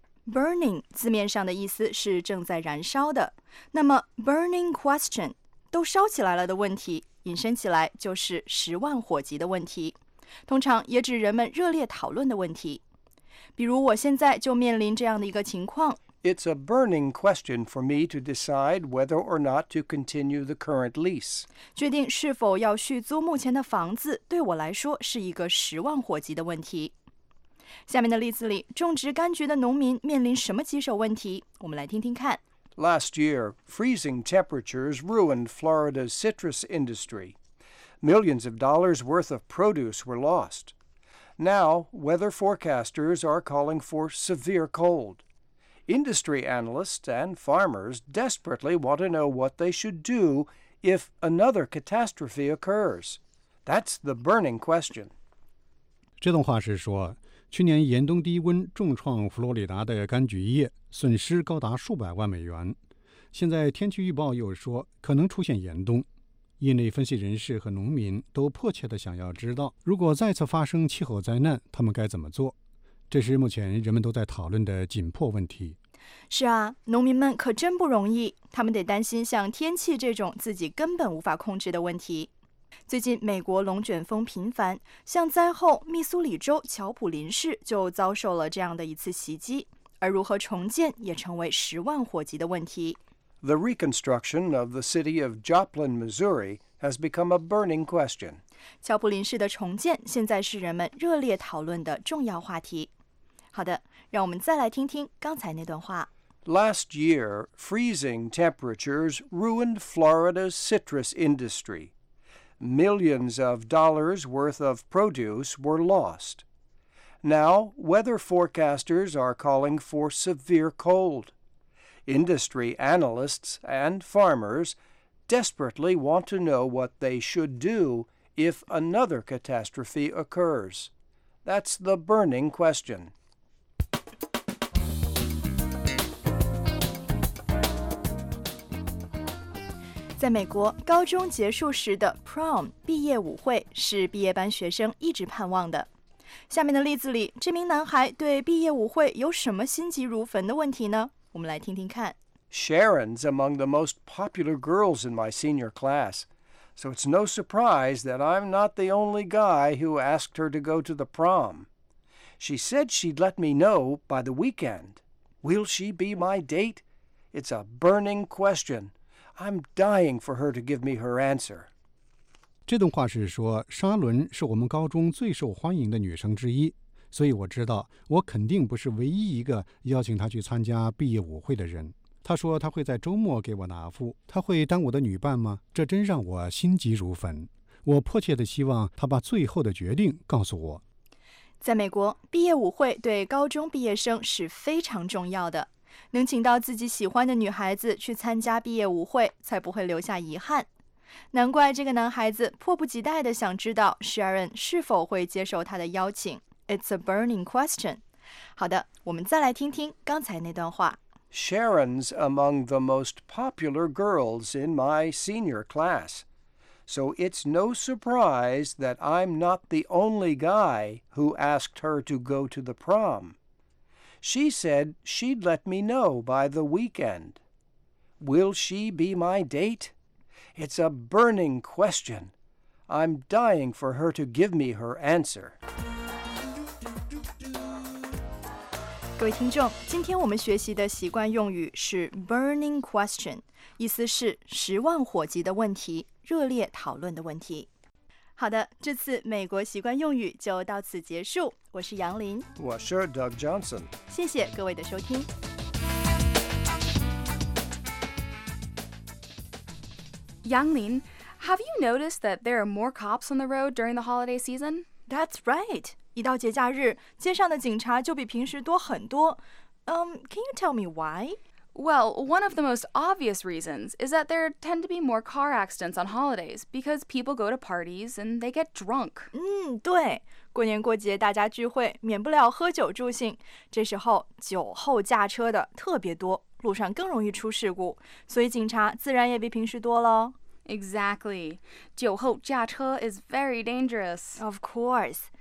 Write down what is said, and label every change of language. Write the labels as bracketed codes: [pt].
[zh] Burning 字面上的意思是正在燃烧的，那么 burning question 都烧起来了的问题，引申起来就是十万火急的问题，通常也指人们热烈讨论的问题。比如我现在就面临这样的一个情况。 [en] It's a burning question for me to decide whether or not to continue the current lease. [zh] 决定是否要续租目前的房子对我来说是一个十万火急的问题。下面的例子里，种植柑橘的农民面临什么棘手问题？我们来听听看。 [en] Last year, freezing temperatures ruined Florida's citrus industry. Millions of dollars worth of produce were lost. Now, weather forecasters are calling for severe cold. Industry analysts and farmers desperately want to know what they should do if another catastrophe occurs. That's the burning question. [zh] 这段话是说，去年严冬低温重创佛罗里达的柑橘业，损失高达数百万美元。现在天气预报又说可能出现严冬。业内分析人士和农民都迫切地想要知道，如果再次发生气候灾难，他们该怎么做？这是目前人们都在讨论的紧迫问题。是啊，农民们可真不容易，他们得担心像天气这种自己根本无法控制的问题。最近美国龙卷风频繁，像灾后密苏里州乔普林市就遭受了这样的一次袭击，而如何重建也成为十万火急的问题。 [en] The reconstruction of the city of Joplin, Missouri has become a burning question. [zh] 乔普林市的重建现在是人们热烈讨论的重要话题。好的，让我们再来听听刚才那段话。 [en] Last year, freezing temperatures ruined Florida's citrus industry. Millions of dollars worth of produce were lost. Now, weather forecasters are calling for severe cold. Industry analysts and farmers desperately want to know what they should do if another catastrophe occurs. That's the burning question. [zh] 在美国，高中结束时的 prom 毕业舞会是毕业班学生一直盼望的。下面的例子里，这名男孩对毕业舞会有什么心急如焚的问题呢？我们来听听看。 [en] Sharon's among the most popular girls in my senior class, so it's no surprise that I'm not the only guy who asked her to go to the prom. She said she'd let me know by the weekend. Will she be my date? It's a burning question. I'm dying for her to give me her answer. [zh] 这段话是说，莎伦是我们高中最受欢迎的女生之一，所以我知道我肯定不是唯一一个邀请她去参加毕业舞会的人。她说她会在周末给我答复，她会当我的女伴吗？这真让我心急如焚。我迫切地希望她把最后的决定告诉我。在美国，毕业舞会对高中毕业生是非常重要的。能请到自己喜欢的女孩子去参加毕业舞会，才不会留下遗憾。难怪这个男孩子迫不及待地想知道 Sharon 是否会接受他的邀请。 [en] It's a burning question. [zh] 好的，我们再来听听刚才那段话。 [en] Sharon's among the most popular girls in my senior class. So it's no surprise that I'm not the only guy who asked her to go to the prom. She said she'd let me know by the weekend. Will she be my date? It's a burning question. I'm dying for her to give me her answer. [zh] 各位听众，今天我们学习的习惯用语是 burning question， 意思是十万火急的问题，热烈讨论的问题。好的，这次美国习惯用语就到此结束。我是杨林，我是 Doug Johnson。谢谢各位的收听。 [en] 杨林 ，Have you noticed that there are more cops on the road during the holiday season? That's right. [zh] 一到节假日，街上的警察就比平时多很多。 [en] Can you tell me why? Well, one of the most obvious reasons is that there tend to be more car accidents on holidays because people go to parties and they get drunk. [zh] 对，过年过节大家聚会，免不了喝酒助兴。这时候酒后驾车的特别多，路上更容易出事故，所以警察自然也比平时多了。 [en] Exactly. [zh] 酒后驾车 [en] is very dangerous. Of course.